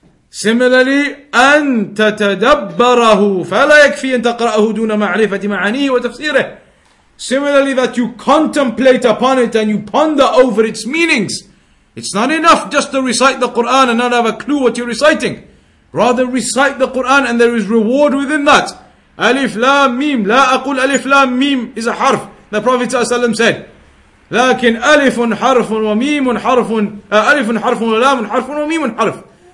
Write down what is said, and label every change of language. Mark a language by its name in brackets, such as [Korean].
[English] Similarly, [Arabic] أن تتدبره فلا يكفي أن تقرأه دون معرفة معانيه وتفسيره. [English] Similarly, that you contemplate upon it and you ponder over its meanings. It's not enough just to recite the Qur'an and not have a clue what you're reciting. Rather, recite the Qur'an and there is reward within that. Alif, Lam, Mim. [Arabic] La aqul [English] Alif, Lam, Mim is a harf. The Prophet ﷺ said, [Arabic] لكن ألف حرف وميم حرف ألف حرف ولام حرف وميم حرف.